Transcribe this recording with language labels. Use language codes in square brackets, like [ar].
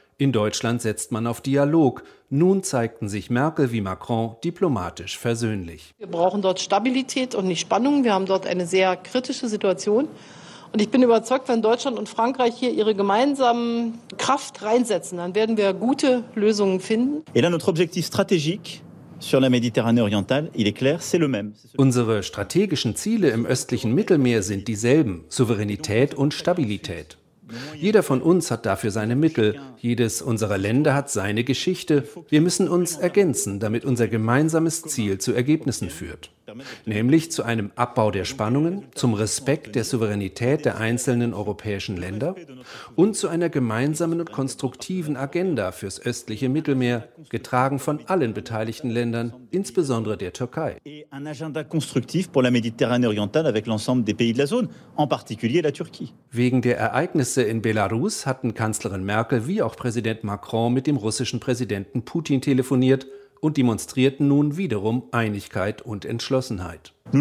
[de] In Deutschland setzt man auf Dialog. Nun zeigten sich Merkel wie Macron diplomatisch versöhnlich. Wir brauchen dort Stabilität und nicht Spannung. Wir haben dort eine sehr kritische Situation. Und ich bin überzeugt, wenn Deutschland und Frankreich hier ihre gemeinsame Kraft reinsetzen, dann werden wir gute Lösungen finden. [fr] Et là, notre objectif stratégique sur la Méditerranée orientale, il est clair, c'est le même. [de] Unsere strategischen Ziele im östlichen Mittelmeer sind dieselben: Souveränität und Stabilität. Jeder von uns hat dafür seine Mittel, jedes unserer Länder hat seine Geschichte. Wir müssen uns ergänzen, damit unser gemeinsames Ziel zu Ergebnissen führt. Nämlich zu einem Abbau der Spannungen, zum Respekt der Souveränität der einzelnen europäischen Länder und zu einer gemeinsamen und konstruktiven Agenda fürs östliche Mittelmeer, getragen von allen beteiligten Ländern, insbesondere der Türkei. Ein Agenda konstruktiv [fr] pour la Méditerranée orientale avec l'ensemble des pays de la zone, en particulier la Turquie. [de] Wegen der Ereignisse in Belarus hatten Kanzlerin Merkel wie auch Präsident Macron mit dem russischen Präsidenten Putin telefoniert und demonstrierten nun wiederum Einigkeit und Entschlossenheit.